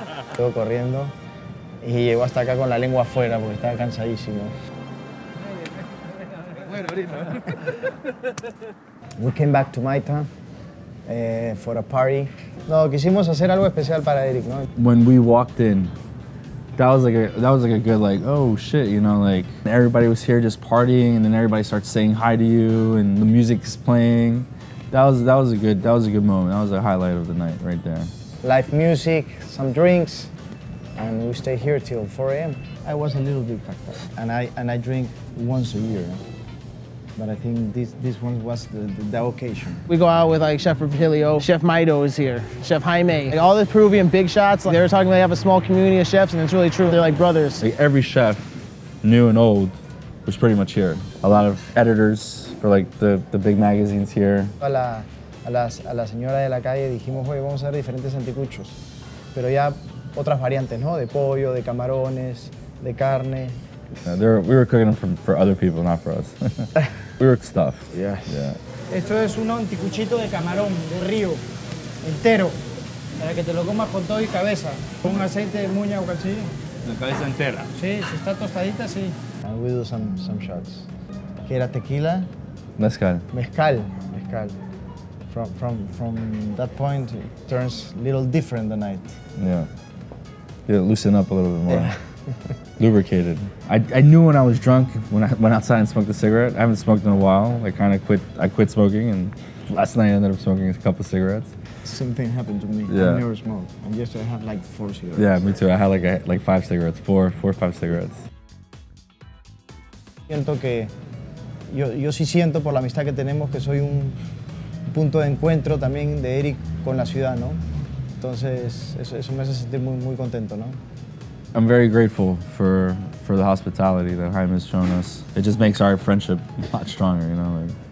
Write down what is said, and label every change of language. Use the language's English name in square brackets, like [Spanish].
[Spanish] Estuvo corriendo y llegó hasta acá con la lengua afuera porque estaba cansadísimo. Bueno, ahorita. [English] We came back to Maita for a party. [Spanish] No, quisimos hacer algo especial para Eric, ¿no? [English] When we walked in, that was like a good like, oh shit, you know, like everybody was here just partying and then everybody starts saying hi to you and the music is playing. That was a good moment. That was a highlight of the night right there. Live music, some drinks, and we stay here till 4 a.m. I was a little bit fucked up. And I drink once a year. But I think this one was the occasion. We go out with like Chef Virgilio, Chef Maito is here, Chef Jaime. Like, all the Peruvian big shots, like, they were talking about they have a small community of chefs, and it's really true. They're like brothers. Like every chef, new and old, was pretty much here. A lot of editors for like the big magazines here. [Spanish] A la señora de la calle dijimos, "Oye, vamos a hacer diferentes anticuchos." Pero ya otras variantes, ¿no? De pollo, de camarones, de carne. [English] Yeah, we were cooking them for other people, not for us. We were stuffed. Yeah. Yeah. [Spanish] Esto es un anticuchito de camarón de río entero para que te lo comas con todo y cabeza, con un aceite de muña o cachillo. La cabeza entera. Sí, si está tostadita, sí. [English] And we do some shots. [Spanish] Que era tequila, [English] Mezcal. Mezcal. Mezcal. From that point, it turns a little different the night. Yeah. Yeah, loosen up a little bit more. Yeah. Lubricated. I knew when I was drunk, when I went outside and smoked a cigarette. I haven't smoked in a while. I quit smoking, and last night I ended up smoking a couple of cigarettes. Same thing happened to me. Yeah. I never smoked. And yesterday I had like 4 cigarettes. Yeah, me too. I had like 5 cigarettes. Four or five cigarettes. [Spanish] Siento que yo sí siento por la amistad que tenemos que soy un punto de encuentro también de Eric con la ciudad, ¿no? Entonces eso me hace sentir muy muy contento, ¿no? [English] I'm very grateful for the hospitality that Jaime has shown us. It just makes our friendship a lot stronger, you know?